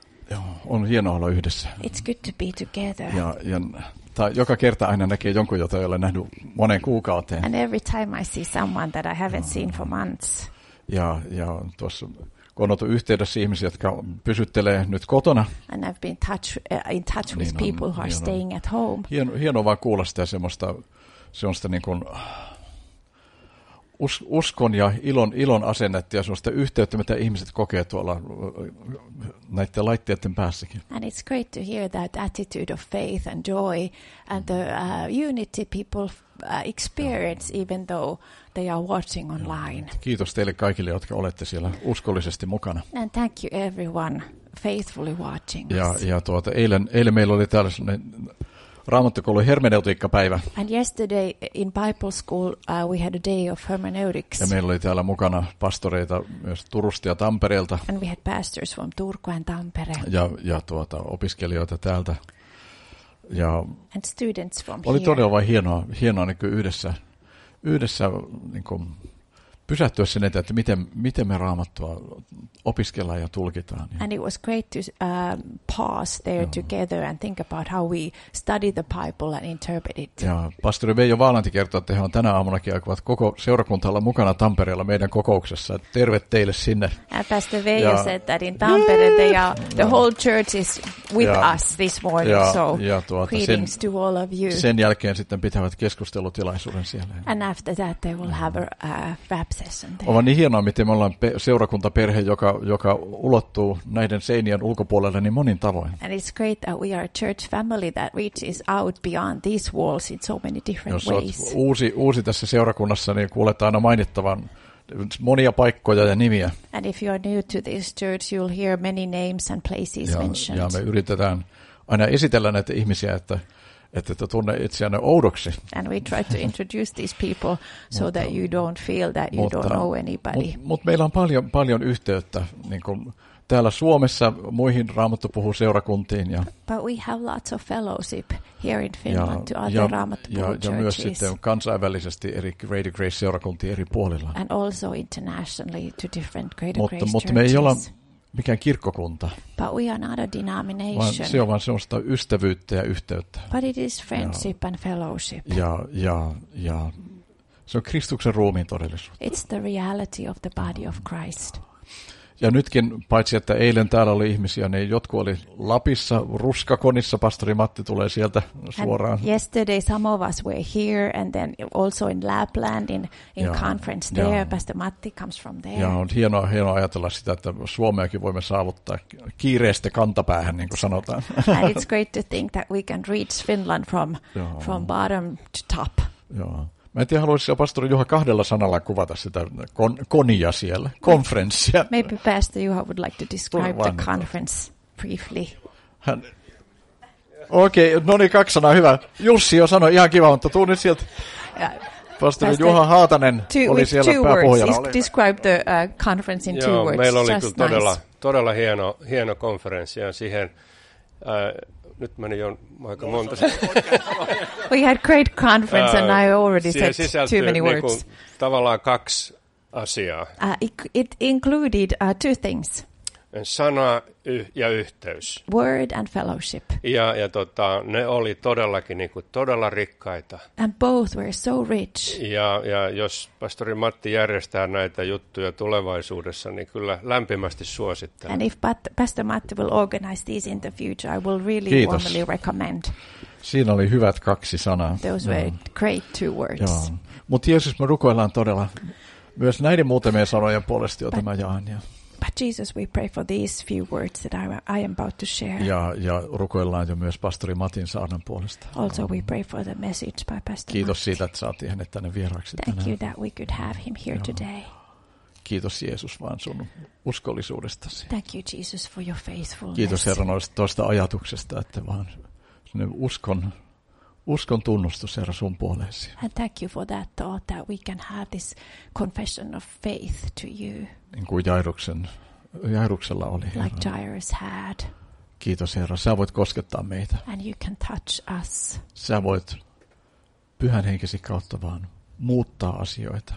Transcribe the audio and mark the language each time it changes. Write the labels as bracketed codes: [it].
[fi] Joo, on hieno olla yhdessä. [en] It's good to be together. [fi] Ja joka kerta aina näkee jonkun, jota ei ole nähnyt moneen kuukauteen. [en] And every time I see someone that I haven't seen for months. [fi] Ja tuossa kun on oltu yhteydessä ihmisiä, jotka pysyttelee nyt kotona. [en] And I've been in touch with people who are staying at home. [fi] Hieno vaan kuulla sitä semmoista, niin kuin uskon ja ilon asennetta ja semmoista yhteyttä, mitä ihmiset kokee tuolla näiden laitteiden päässäkin. [en] And it's great to hear that attitude of faith and joy and the unity people experience even though they are watching online. [fi] Kiitos teille kaikille, jotka olette siellä uskollisesti mukana. [en] And thank you everyone faithfully watching us. [fi] Ja eilen meillä oli täällä sellainen Raamattokoulun hermeneutiikkapäivä. [en] And yesterday in Bible school we had a day of hermeneutics. [fi] Ja meillä oli täällä mukana pastoreita myös Turusta ja Tampereelta. [en] And we had pastors from Turku and Tampere. [fi] Ja opiskelijoita täältä. Ja [en] and students from [fi] oli [en] here. [fi] Todella vain hienoa niin kuin yhdessä niin kuin pysähtyä sen eteen, että miten me Raamattua opiskellaan ja tulkitaan. [en] And it was great to pause there together and think about how we study the Bible and interpret it. [fi] Ja pastori Veijo Vaalanti kertoo, että he on tänä aamunakin aikovat koko seurakuntalla mukana Tampereella meidän kokouksessa. Terve teille sinne. [en] And Pastor Veijo said that in Tampere the whole church is with us this morning. Greetings to all of you. [fi] Sen jälkeen sitten pitävät keskustelutilaisuuden siellä. [en] And after that they will have a [fi] on niin hienoa, miten me ollaan seurakuntaperhe, joka ulottuu näiden seinien ulkopuolelle niin monin tavoin. [en] And it's great that we are a church family that reaches out beyond these walls in so many different ways. [fi] Jos olet uusi tässä seurakunnassa, niin kuulet aina mainittavan monia paikkoja ja nimiä. [en] And if you are new to this church, you'll hear many names and places mentioned. [fi] Ja me yritetään aina esitellä näitä ihmisiä, että tunne itseänne oudoksi. [en] And we try to introduce these people so that you don't feel that you don't know anybody. [fi] Mutta meillä on paljon yhteyttä niin kuin täällä Suomessa muihin Raamattopuhun seurakuntiin. [en] But we have lots of fellowship here in Finland to other Raamattopuhun churches. [fi] Ja myös sitten kansainvälisesti eri Greater Grace seurakuntiin eri puolilla. [en] And also internationally to different Greater Grace churches. [fi] Mutta me ei olla mikään kirkkokunta. [en] But we are not a denomination. [fi] Vaan se on vaan semmoista ystävyyttä ja yhteyttä. [en] But it is friendship and fellowship. [fi] Ja se on Kristuksen ruumiin todellisuus. [en] It's the reality of the body of Christ. [fi] Ja nytkin, paitsi että eilen täällä oli ihmisiä, niin jotkut oli Lapissa, Ruskakonissa. Pastori Matti tulee sieltä suoraan. [en] And yesterday some of us were here and then also in Lapland in conference there. Ja Pastor Matti comes from there. [fi] Ja on hienoa ajatella sitä, että Suomeakin voimme saavuttaa kiireestä kantapäähän, niin kuin sanotaan. [en] And it's great to think that we can reach Finland from bottom to top. [fi] Joo. Mä en tiedä, haluaisin pastori Juha kahdella sanalla kuvata sitä konia siellä, konferenssia. [en] Maybe Pastor Juha would like to describe the conference briefly. [fi] Okei, no niin, kaksi sanaa, hyvä. Jussi jo sanoi, ihan kiva, mutta tuu nyt sieltä. Pastori Juha Haatanen oli siellä pääpohjalla. [en] Describe the conference in two words. [fi] Joo, meillä oli kyllä todella hieno konferenssi ja siihen. Nyt meni jo aika monta. [en] We had great conference and I already said too many words. [fi] Niin kuin, tavallaan kaksi asiaa. [en] It included two things. [fi] Sana ja yhteys. [en] Word and fellowship. [fi] Ja ne oli todellakin niin kuin todella rikkaita. [en] And both were so rich. [fi] Ja jos pastori Matti järjestää näitä juttuja tulevaisuudessa, niin kyllä lämpimästi suosittelen. [en] And if Pastor Matti will organize these in the future, I will really warmly recommend. [fi] Siinä oli hyvät kaksi sanaa. [en] Those were great two words. [fi] Mutta Jeesus, me rukoillaan todella myös näiden muutamien sanojen puolesta, joita mä jaan. [en] But Jesus, we pray for these few words that I am about to share. [fi] Ja rukoillaan jo myös pastori Matin saarnan puolesta. [en] Also we pray for the message by Pastor Matti. [fi] Kiitos siitä, että saatiin hänet tänne vieraaksi tänään. [en] Thank you that we could have him here today. [fi] Kiitos Jeesus vaan sun uskollisuudestasi. [en] Thank you Jesus for your faithfulness. [fi] Kiitos Herra noista toista ajatuksesta, että vaan sinne uskon tunnustus Herra sun puoleesi. [en] And thank you for that thought that we can have this confession of faith to you. [fi] Niin kuin Jairuksella oli, Herra. [en] Like Jairus had. [fi] Kiitos, Herra. Sä voit koskettaa meitä. [en] And you can touch us. [fi] Sä voit pyhän henkesi kautta vaan muuttaa asioita.